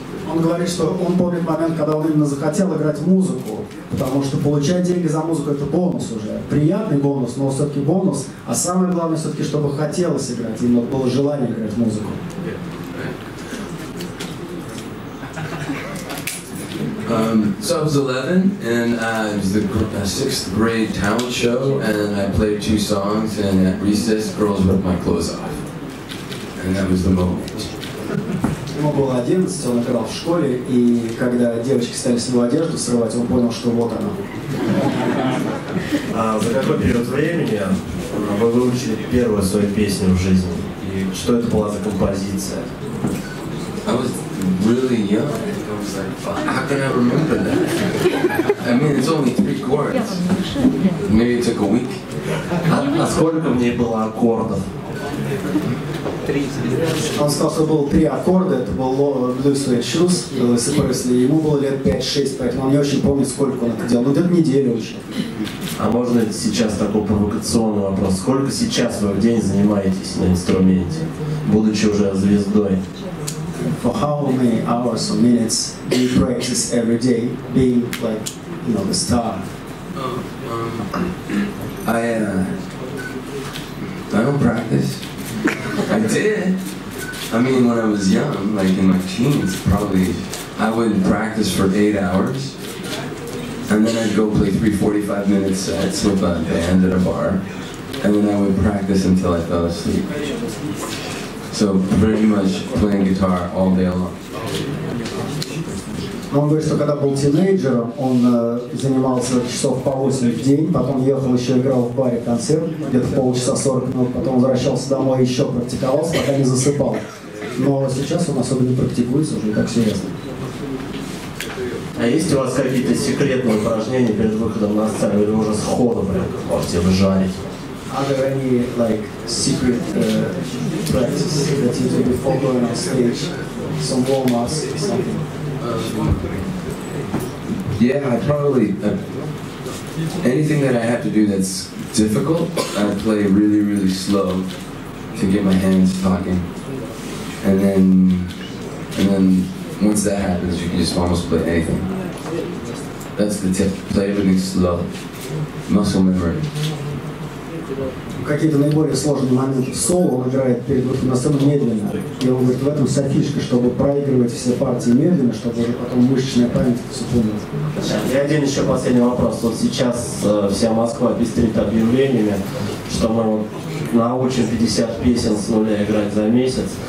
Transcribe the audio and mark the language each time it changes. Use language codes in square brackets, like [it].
[ru] Он говорит, что он помнит момент, когда он именно захотел играть музыку, потому что получать деньги за музыку – это бонус уже. Приятный бонус, но все-таки бонус. А самое главное все-таки, чтобы хотелось играть, именно было желание играть музыку. [en] So I was 11, and it was the sixth grade talent show, and I played two songs, and at recess, girls ripped my clothes off, and that was the moment. [ru] Ему было 11, он играл в школе, и когда девочки стали с него одежду срывать, он понял, что вот она. За какой период времени вы выучили первую свою песню в жизни, и что это была за композиция? [en] I was really young. How can I remember that? I mean, it's only 3 chords. Maybe it took a week. [ru] А сколько мне было аккордов? Три. Он сказал, что было 3 аккорда. Это был Blue Suede Shoes, Elvis Presley. Ему было лет 5-6, поэтому он не очень помнит, сколько он это делал. Ну, где-то неделю очень. А можно сейчас такой провокационный вопрос? Сколько сейчас вы в день занимаетесь на инструменте, будучи уже звездой? [en] For how many hours or minutes do you practice every day, being like, you know, the star? I don't practice. I did. I mean, when I was young, like in my teens, probably I would practice for 8 hours, and then I'd go play 3 45-minute sets with a band at a bar, and then I would practice until I fell asleep. So pretty much playing guitar all day long. [ru] Он говорит, что когда был тинейджером, он занимался часов по 8 в день, потом ехал еще играл в баре концерт, где-то полчаса 40 минут, потом возвращался домой и еще практиковался, пока не засыпал. Но сейчас он особо не практикуется, уже не так серьезно. А есть у вас какие-то секретные упражнения перед выходом на сцену, или уже сходу, блин, можете выжарить? [en] Are there any, like, secret practices that you do before going on stage? Some warm-ups, something? Yeah, I probably, anything that I have to do that's difficult, I play really, really slow to get my hands talking. And then once that happens, you can just almost play anything. That's the tip, play everything slow, muscle memory. [ru] Какие-то наиболее сложные моменты соло он играет перед выходом на сцену медленно. И он говорит, в этом вся фишка, чтобы проигрывать все партии медленно, чтобы уже потом мышечная память все помнила. И один еще последний вопрос. Вот сейчас вся Москва пестрит объявлениями, что мы научим 50 песен с нуля играть за месяц.